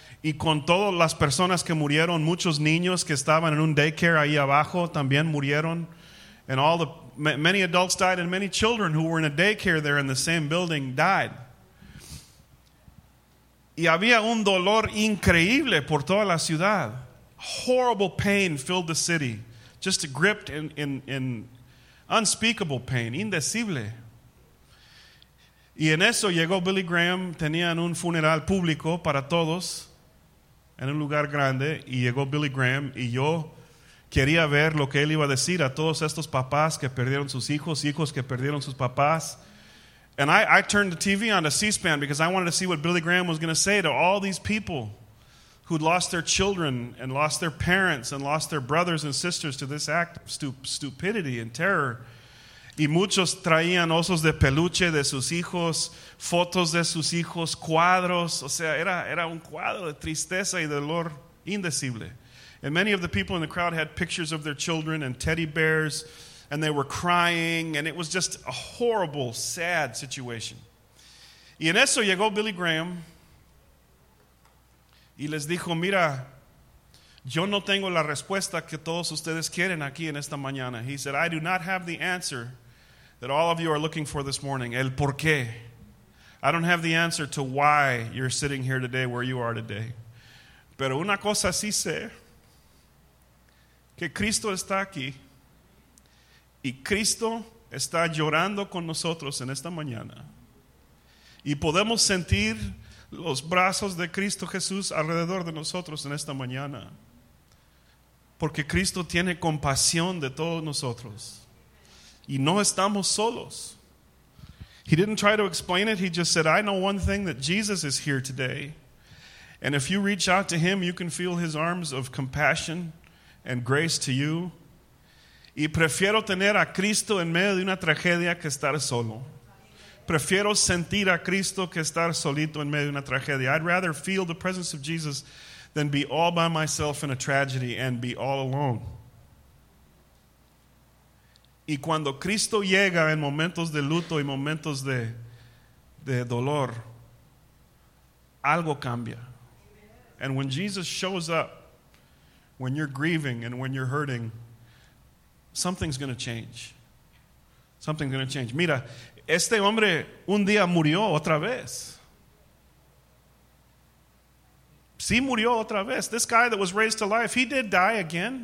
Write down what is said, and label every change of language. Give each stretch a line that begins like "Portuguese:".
Spanish: Y con todas las personas que murieron, muchos niños que estaban en un daycare ahí abajo también murieron.
English: And all the many adults died and many children who were in a daycare there in the same building died.
Spanish: Y había un dolor increíble por toda la ciudad.
English: Horrible pain filled the city, just gripped in unspeakable pain,
Spanish: indecible. Y en eso llegó Billy Graham, tenían un funeral público para todos, en un lugar grande, y llegó Billy Graham, y yo quería ver lo que él iba a decir a todos estos papás que perdieron sus hijos, hijos que perdieron sus papás.
English: And I turned the TV on to C-SPAN because I wanted to see what Billy Graham was going to say to all these people who'd lost their children and lost their parents and lost their brothers and sisters to this act of stupidity and terror.
Spanish: Y muchos traían osos de peluche de sus hijos, fotos de sus hijos, cuadros. O sea, era un cuadro de tristeza y dolor indecible.
English: And many of the people in the crowd had pictures of their children and teddy bears, and they were crying, and it was just a horrible, sad situation.
Spanish: Y en eso llegó Billy Graham, y les dijo, mira, yo no tengo la respuesta que todos ustedes quieren aquí en esta mañana.
English: He said, I do not have the answer that all of you are looking for this morning.
Spanish: El por qué.
English: I don't have the answer to why you're sitting here today where you are today.
Spanish: Pero una cosa sí sé, que Cristo está aquí. Y Cristo está llorando con nosotros en esta mañana. Y podemos sentir los brazos de Cristo Jesús alrededor de nosotros en esta mañana, porque Cristo tiene compasión de todos nosotros y no estamos solos.
English: He didn't try to explain it. He just said, I know one thing, that Jesus is here today, and if you reach out to him, you can feel his arms of compassion and grace to you.
Spanish: Y prefiero tener a Cristo en medio de una tragedia que estar solo. Prefiero sentir a Cristo que estar solito en medio de una tragedia.
English: I'd rather feel the presence of Jesus than be all by myself in a tragedy and be all alone.
Spanish: Y cuando Cristo llega en momentos de luto y momentos de dolor, algo cambia.
English: And when Jesus shows up, when you're grieving and when you're hurting, something's going to change. Something's going to change.
Spanish: Mira, este hombre un día murió otra vez. Sí murió otra vez.
English: This guy that was raised to life, he did die again.